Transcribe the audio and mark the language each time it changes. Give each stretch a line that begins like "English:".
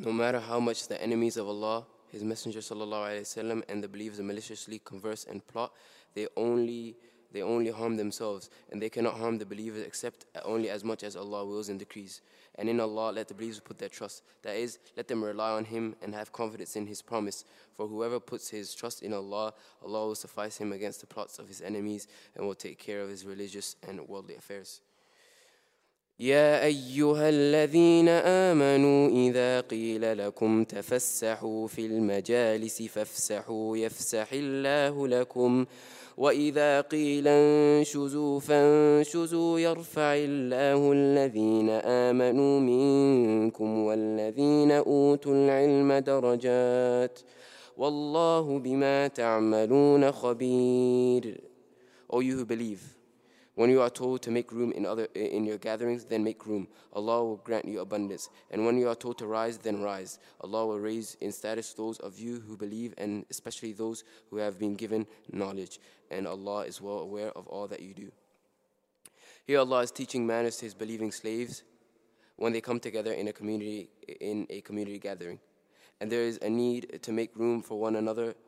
English: No matter how much the enemies of Allah, his Messenger sallallahu alaihi wasallam, and the believers maliciously converse and plot, they only harm themselves, and they cannot harm the believers except only as much as Allah wills and decrees. And in Allah, let the believers put their trust. That is, let them rely on Him and have confidence in His promise. For whoever puts his trust in Allah, Allah will suffice him against the plots of his enemies and will take care of his religious and worldly affairs.
Arabic: يَا أَيُّهَا الَّذِينَ آمَنُوا إِذَا قِيلَ لَكُمْ تَفَسَّحُوا فِي الْمَجَالِسِ فَافْسَحُوا يَفْسَحِ اللَّهُ لَكُمْ وَإِذَا قِيلَ انْشُزُوا فَانْشُزُوا يَرْفَعِ اللَّهُ الَّذِينَ آمَنُوا مِنْكُمْ وَالَّذِينَ أُوتُوا الْعِلْمَ دَرَجَاتٍ وَاللَّهُ بِمَا تَعْمَلُونَ خَبِيرٌ.
English: O you who believe, when you are told to make room in your gatherings, then make room. Allah will grant you abundance. And when you are told to rise, then rise. Allah will raise in status those of you who believe, and especially those who have been given knowledge. And Allah is well aware of all that you do. Here Allah is teaching manners to His believing slaves when they come together in a community gathering. And there is a need to make room for one another